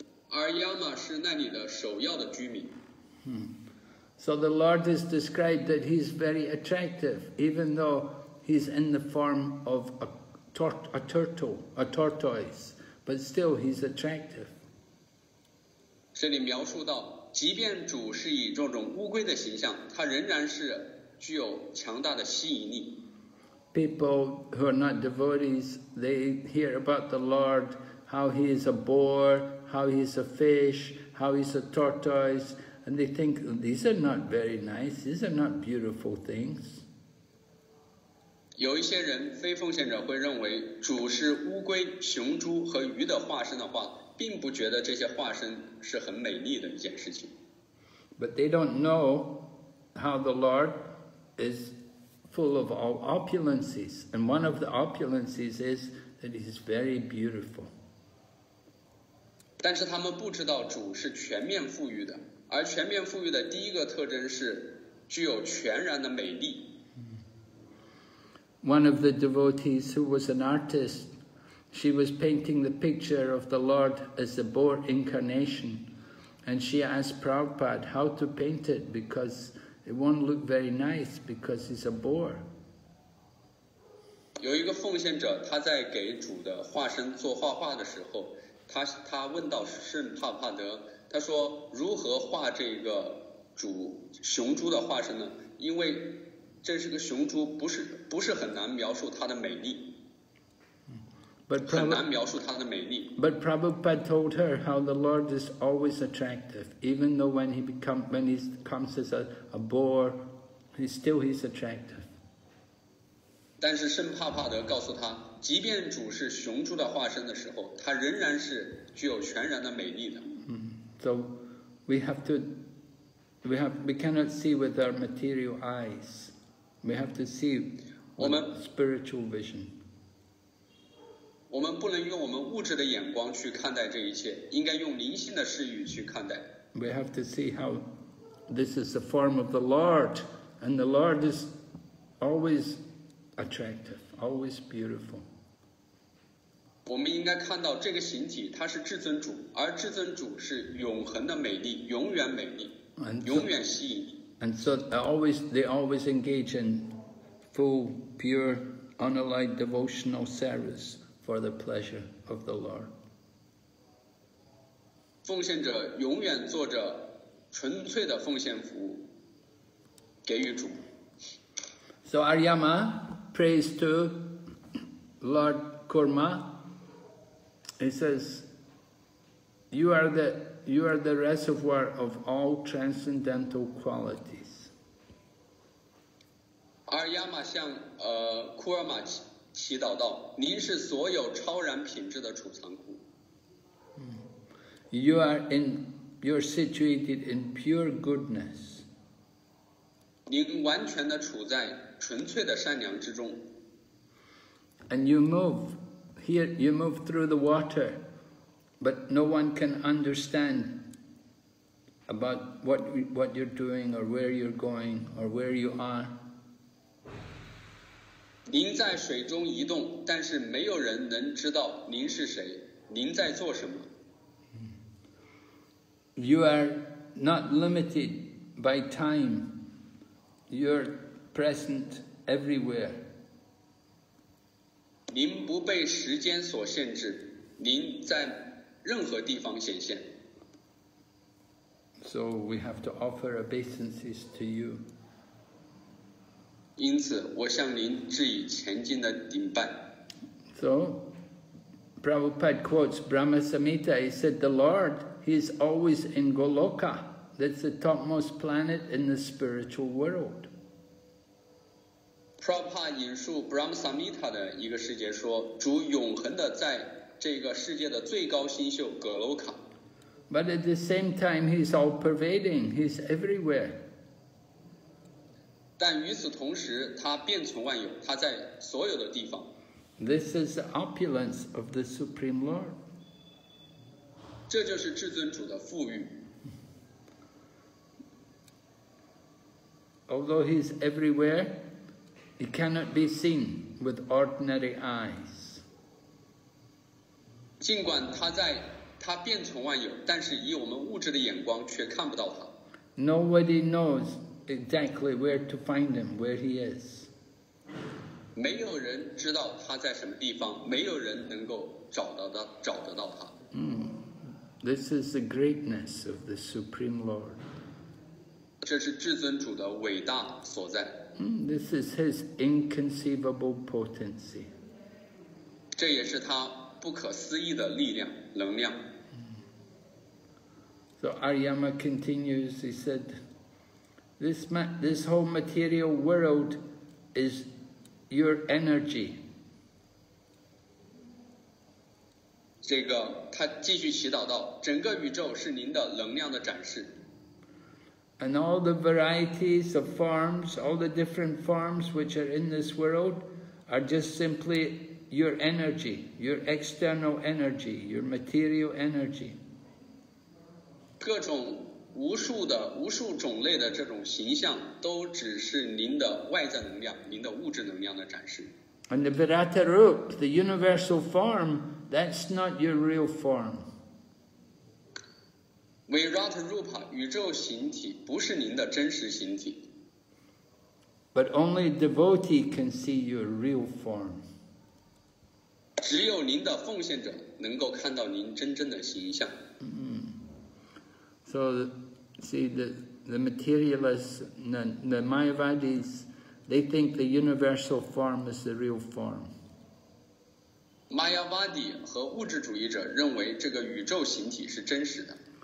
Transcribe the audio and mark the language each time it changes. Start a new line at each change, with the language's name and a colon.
Chinese: Aryama 是那里的首要的居民。
English: So the Lord is described that he's very attractive, even though he's in the form of a tortoise, but still he's attractive.
Chinese: 这里描述到，即便主是以这种乌龟的形象，他仍然是具有强大的吸引力。
English: People who are not devotees, they hear about the Lord, how he is a boar, how he is a fish, how he is a tortoise, and they think these are not very nice. These are not beautiful things.
Chinese: 有一些人，非奉献者会认为主是乌龟、雄猪和鱼的化身的话。并不觉得这些化身是很美丽的一件事情。
English: But they don't know how the Lord is full of all opulences, and one of the opulences is that he is very beautiful.
Chinese: 但是他们不知道主是全面富裕的，而全面富裕的第一个特征是具有全然的美丽。
English: One of the devotees who was an artist. She was painting the picture of the Lord as the boar incarnation, and she asked Prabhupada how to paint it because it won't look very nice because it's a boar.
Chinese: 有一个奉献者，他在给主的化身做画画的时候，他问到圣帕帕德，他说如何画这个主雄猪的化身呢？因为这是个雄猪，不是很难描述它的美丽。
English: But Prabhupada told her how the Lord is always attractive, even though when he comes as a boar, he's still attractive.
Chinese: 但是圣帕帕德告诉他，即便主是雄猪的化身的时候，他仍然是具有全然的美丽的。
English: So we cannot see with our material eyes. We have to see with spiritual vision.
Chinese: 我们不能用我们物质的眼光去看待这一切，应该用灵性的视野去看待。
English: We have to see how this is the form of the Lord, and the Lord is always attractive, always beautiful.
Chinese: 我们应该看到这个形体，它是至尊主，而至尊主是永恒的美丽，永远美丽，永远吸引力。
English: And so they always engage in full, pure, unalloyed devotional service. For the pleasure of the Lord.
Chinese: 奉献者永远做着纯粹的奉献服务，给予主。
English: So Aryama prays to Lord Kurma. He says, "You are the reservoir of all transcendental qualities."
Chinese: Aryama 向库尔玛。祈祷道：“您是所有超然品质的储藏库。
English: You are situated in pure goodness.
Chinese: 您完全的处在纯粹的善良之中。
English: And you move through the water, but no one can understand about what you're doing or where you're going or where you are.”
Chinese: 您在水中移动，但是没有人能知道您是谁，您在做什么。
English: You are not limited by time. You're present everywhere.
Chinese: 您不被时间所限制，您在任何地方显现。
English: So we have to offer obeisances to you.
Chinese: 因此我向您致以虔敬的顶拜。
English: So, Prabhupada quotes Brahma Samhita. He said, the Lord, he is always in Goloka. That's the topmost planet in the spiritual world.
Chinese: Prabhupada 引述 Brahma Samhita 的一个世界说，主永恒的在这个世界的最高星宿葛罗卡。
English: But at the same time, he's all pervading. He's everywhere.
Chinese: 但与此同时，他遍存万有，他在所有的地方。
English: This is the opulence of the Supreme Lord.
Chinese: 这就是至尊主的富裕。
English: Although he is everywhere, he cannot be seen with ordinary eyes.
Chinese: 尽管他遍存万有，但是以我们物质的眼光却看不到他。
English: Nobody knows exactly where to find him, where he is.
Chinese: 没有人知道他在什么地方，没有人能够找到他，找得到他。
English: This is the greatness of the Supreme Lord.
Chinese: 这是至尊主的伟大所在。
English: This is his inconceivable potency.
Chinese: 这也是他不可思议的力量，能量。
English: So Aryama continues, he said, this whole material world is your energy.
Chinese: 这个他继续祈祷道，整个宇宙是您的能量的展示。
English: And all the varieties of forms, all the different forms which are in this world are just simply your energy, your external energy, your material energy.
Chinese: 各种无数的无数种类的这种形象都只是您的外在能量，您的物质能量的展示。
English: And the Virata Roop, the universal form, that's not your real form.
Chinese: Virata Roop, 宇宙形体不是您的真实形体。
English: But only devotee can see your real form.
Chinese: 只有您的奉献者能够看到您真正的形象。
English: So, see, the materialists, the Mayavadis, they think the universal form is the real form.
Chinese: Mayavadi 和物质主义者认为这个宇宙形体是真实的。